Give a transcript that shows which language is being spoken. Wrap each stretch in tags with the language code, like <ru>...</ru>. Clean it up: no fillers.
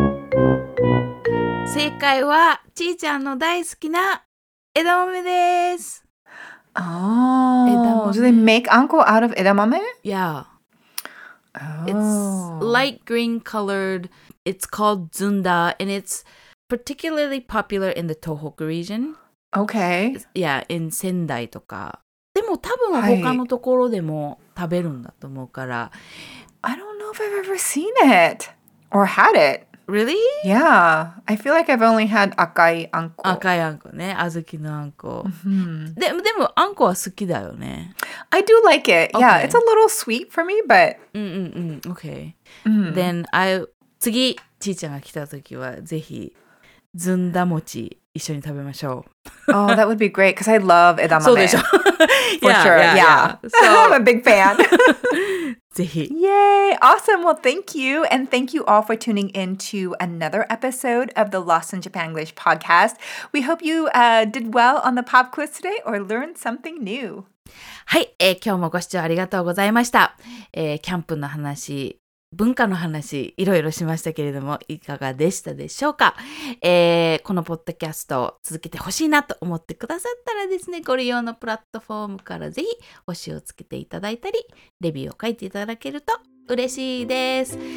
<ja>正解はちーちゃんの大好きな edamame desu.</ja> <en>Oh, do they make anko out of edamame? Yeah. Oh. It's light green colored. It's called zunda, and it's particularly popular in the Tohoku region. Okay. Yeah, in Sendai とか。</en> <ja>でも多分他のところでも食べるんだと思うから。</ja> <en>I don't know if I've ever seen it or had it. Really? Yeah. I feel like I've only had</en> <ja>赤いあんこ。赤いあんこね。あずきのあんこ。でもあんこは好きだよね。</ja> <en>I do like it. Yeah,、okay. it's a little sweet for me, but...</en> <ja>Okay.、</ja> <en>Then,</en> <ja>次、ちーちゃんが来た時は、ぜひ、ずんだ餅、一緒に食べましょう。</ja> <en>Oh, that would be great, because I love 枝豆。</en> <ja>そうでしょ。</ja> <en>for sure, yeah. So, I'm a big fan.</en> <ja>ぜひ。</ja> <en>Yay! Awesome! Well, thank you. And thank you all for tuning in to another episode of the Lost in Japan English podcast. We hope you、did well on the pop quiz today or learned something new.</en> <ja>はい、今日もご視聴ありがとうございました。キャンプの話、文化の話、いろいろしましたけれども、いかがでしたでしょうか。このポッドキャストを続けてほしいなと思ってくださったらですね、ご利用のプラットフォームからぜひ星をつけていただいたり、レビューを書いていただけると嬉しいです。</ja>